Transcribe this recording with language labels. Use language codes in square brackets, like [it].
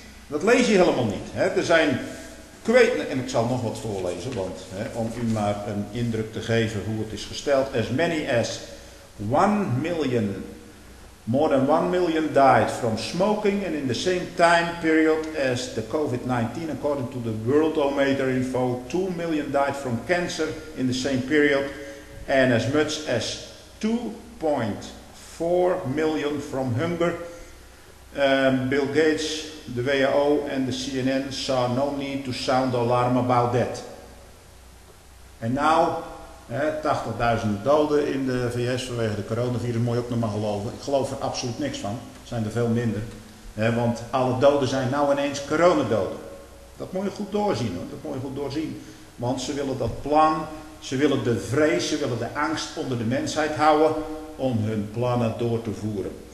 [nl] Dat lees je helemaal niet. Hè? Er zijn, en ik zal nog wat voorlezen, want hè, om u maar een indruk te geven hoe het is gesteld. [en] As many as 1 million more than 1 million died from smoking and in the same time period as the COVID-19, according to the Worldometer info, 2 million died from cancer in the same period and as much as 2.4 million from hunger. Bill Gates, the WHO and the CNN saw no need to sound alarm about that. And now... [nl] 80.000 doden in de VS vanwege de coronavirus, moet je ook nog maar geloven. Ik geloof er absoluut niks van, zijn er veel minder. Want alle doden zijn nou ineens coronadoden. Dat moet je goed doorzien hoor, dat moet je goed doorzien. Want ze willen dat plan, ze willen de vrees, ze willen de angst onder de mensheid houden om hun plannen door te voeren.